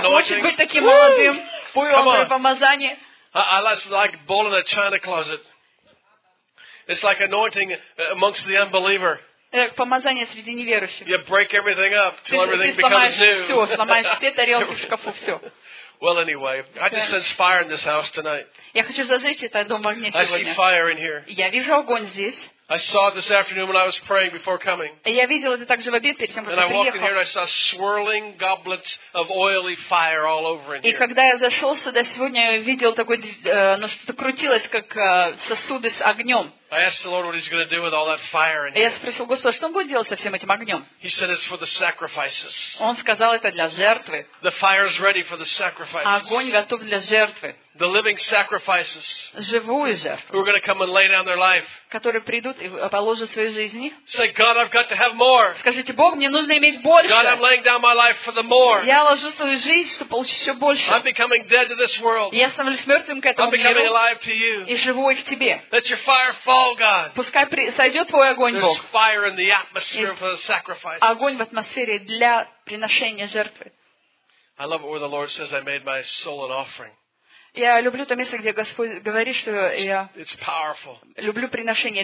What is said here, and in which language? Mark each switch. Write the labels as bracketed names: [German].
[Russian] Кто-то хочет быть таким молодым буйволом в помазании? [English] I like bull in a china closet. It's like anointing amongst the unbeliever. [Russian] Помазание среди неверующих. [English] You break everything up till everything becomes new. [Russian] Ты сломаешь все тарелки в шкафу, все. [English] Well, anyway, I just sense fire in this house tonight. [Russian] Я хочу зажечь этот дом в огне сегодня. [English] I see fire in here. [Russian] Я вижу огонь здесь. [English] I saw it this afternoon when I was praying before coming. [Russian] Я видел это также в обед перед тем, как приехал. [English] And I walked in here and I saw swirling goblets of oily fire all over in here. [Russian] И когда я зашел сюда сегодня, я видел такое, ну что-то крутилось, как сосуды с огнем. [English] I asked the Lord what He's going to do with all that fire in here. [Russian] Я спросил Господа, что Он будет делать со всем этим огнем? [English] He said it's for the sacrifices. [Russian] Он сказал, это для жертвы. [English] The fire is ready for the sacrifices. [Russian] Огонь готов для жертвы. [English] The living sacrifices. [Russian] Живую жертву. [English] Who are going to come and lay down their life? [Russian] Которые придут и положат свои жизни. [English] Say, God, I've got to have more. [Russian] Скажите, Бог, мне нужно иметь больше. [English] God, I'm laying down my life for the more. [Russian] Я ложу свою жизнь, чтобы получить еще больше. [English] I'm becoming dead to this world. [Russian] Я становлюсь мертвым к этому миру. [English] I'm becoming alive to you. [Russian] И живой к тебе. [English] Let your fire fall. [Russian] Пускай сойдет твой огонь, Бог. [English] There's fire in the atmosphere for the sacrifice. [Russian] Огонь в атмосфере для приношения жертвы. [English] I love it where the Lord says, "I made my soul an offering." [Russian] Я люблю то место, где Господь говорит, что я люблю приношение.